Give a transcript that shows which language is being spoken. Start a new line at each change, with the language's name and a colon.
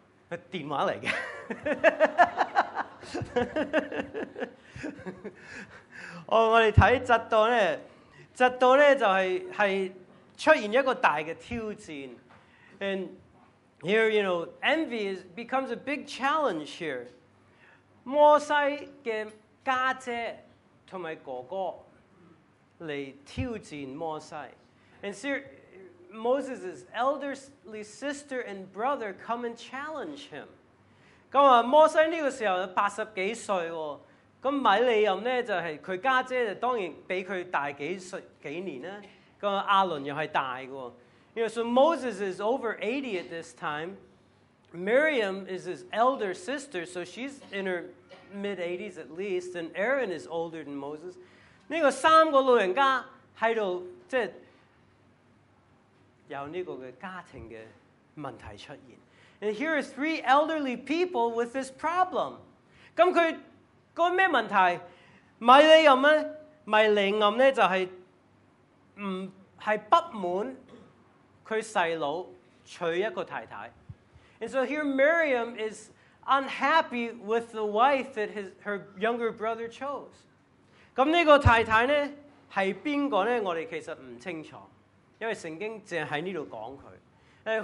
Cantonese: 係電話嚟嘅。我哋睇嫉妒咧，嫉妒咧就係出現一個大嘅挑戰。
English: And here, you know, envy becomes a big challenge here.
Cantonese: 摩西嘅家姐同埋哥哥嚟挑戰摩西。
English: And so Moses' elderly sister and brother come and challenge him.
Cantonese: 咁啊，摩西呢個時候80幾歲喎。咁米利暗咧就係佢家姐就當然比佢大幾年啦。咁阿倫又係大嘅喎。
English: You know, so Moses is over 80 at this time. Miriam is his elder sister, so she's in her mid-80s at least. And Aaron is older than Moses.
Cantonese: 呢個三個老人家喺度即係有呢個嘅家庭嘅問題出現。
English: And here are three elderly people with this problem.
Cantonese: 咁佢。嗰咩問題？米利暗咧，米利暗咧就係唔係不滿佢細佬娶一個太太。
English: And so here Miriam is unhappy with the wife that her younger brother chose.
Cantonese: 咁呢個太太咧係邊個咧？我哋其實唔清楚，因為聖經淨喺呢度講佢。